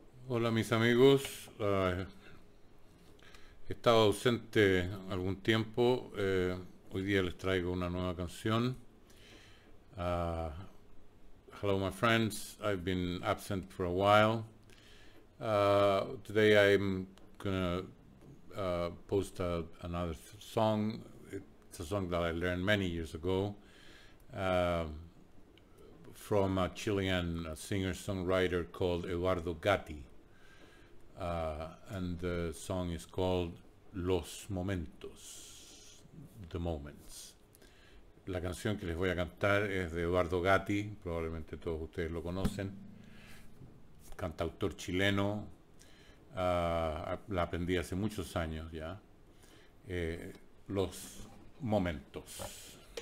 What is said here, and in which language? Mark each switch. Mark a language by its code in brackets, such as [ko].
[es] Hola mis amigos, he estado ausente algún tiempo, hoy día les traigo una nueva canción. [en] Hello my friends, I've been absent for a while. Today I'm gonna post another song. It's a song that I learned many years ago from a Chilean singer-songwriter called Eduardo Gatti. And the song is called Los Momentos, The Moments. [es] La canción que les voy a cantar es de Eduardo Gatti, probablemente todos ustedes lo conocen, cantautor chileno, la aprendí hace muchos años ya. Los Momentos.